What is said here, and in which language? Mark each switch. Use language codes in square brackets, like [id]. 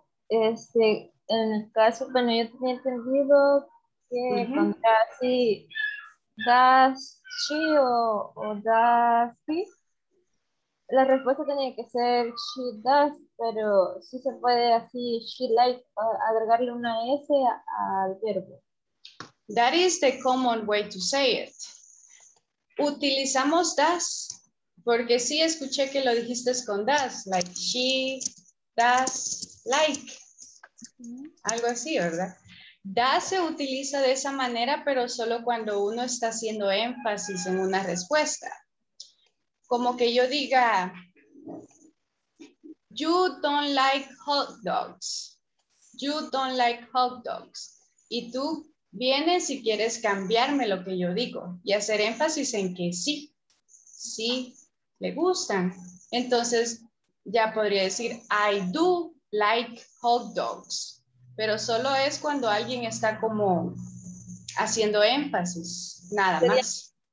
[es] En el caso, bueno, yo tenía entendido que cuando era así, [en] does she [es] o [en] does he, [es] la respuesta tenía que ser [en] she does, [es] pero sí se puede así, [en] she likes, [es] agregarle una S al verbo. [en] That is the common way to say it. [es] Utilizamos does. Porque sí escuché que lo dijiste con does, [en] like she does like, [es] algo así, ¿verdad? Does se utiliza de esa manera, pero solo cuando uno está haciendo énfasis en una respuesta. Como que yo diga, [en] you don't like hot dogs, [es] you don't like hot dogs. Y tú vienes y quieres cambiarme lo que yo digo y hacer énfasis en que sí, sí. Le gustan. Entonces, ya podría decir, [en] I do like hot dogs. [es] Pero solo es cuando alguien está como haciendo énfasis, nada sería, más.